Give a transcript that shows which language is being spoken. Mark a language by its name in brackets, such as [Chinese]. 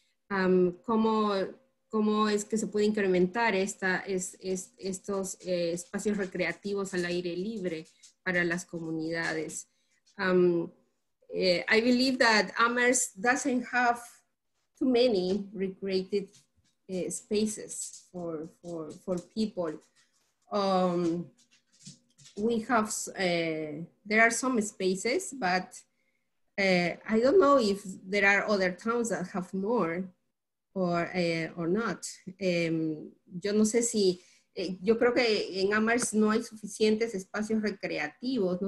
[Spanish] cómo es que se puede incrementar estos espacios recreativos al aire libre para las comunidades. [English] I believe that Amherst doesn't have too many recreated spaces for people. We have there are some spaces, but I don't know if there are other towns that have more or not. [Spanish] Yo no sé si yo creo que en Amherst no hay suficientes espacios recreativos.